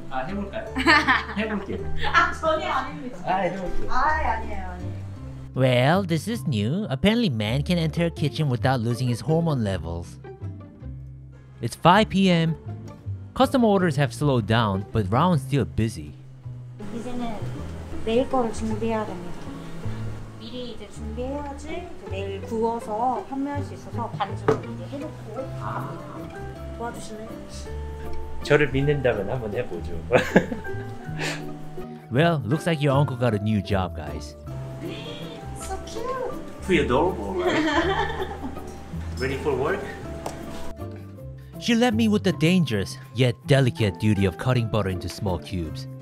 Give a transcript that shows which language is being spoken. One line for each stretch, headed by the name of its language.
Korean: 아, 해볼까요? 해볼게요. 아, 전혀 아닙니다. 아, 해볼게요. 아, 아니에요, 아니에요.
English: Well, this is new. Apparently, man can enter a kitchen without losing his hormone levels. It's 5 p.m. Custom orders have slowed down, but Raon's still busy.
Korean: 이제는 내일 거를 준비해야 됩니다. 미리 미리 이제 준비해야지 이제 내일 구워서 판매할 수 있어서 반죽을 이제 해놓고 아. 도와주실래요? 저를 믿는다면 한번 해보죠.
English: Well, looks like your uncle got a new job, guys. So cute. Pretty adorable, right? Ready for work? She left me with the dangerous yet delicate duty of cutting butter into small cubes.